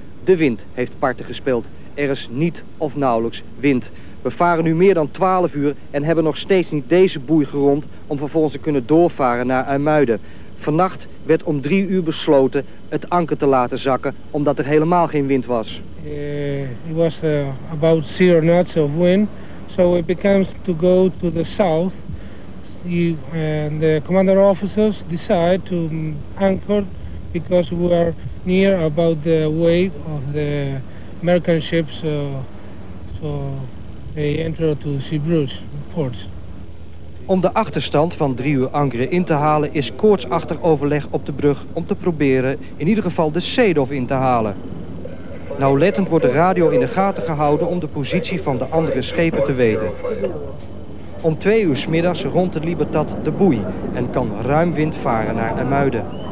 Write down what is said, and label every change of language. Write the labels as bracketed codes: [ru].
[nl] De wind heeft parten gespeeld. Er is niet of nauwelijks wind. We varen nu meer dan 12 uur en hebben nog steeds niet deze boei gerond om vervolgens te kunnen doorvaren naar IJmuiden. Vannacht werd om 3 uur besloten het anker te laten zakken omdat er helemaal geen wind was. [en] It was about 0 knots of wind. So it becomes to go to the south. And the commander officers decide to anchor because we are near about the wave of the American ships, so they enter to Zeebrugge port. [nl] Om de achterstand van 3 uur ankeren in te halen is koortsachtig overleg op de brug om te proberen in ieder geval de Sedov in te halen. Nauwlettend wordt de radio in de gaten gehouden om de positie van de andere schepen te weten. Om 2 uur 's middags rond de Libertad de boei en kan ruim wind varen naar IJmuiden.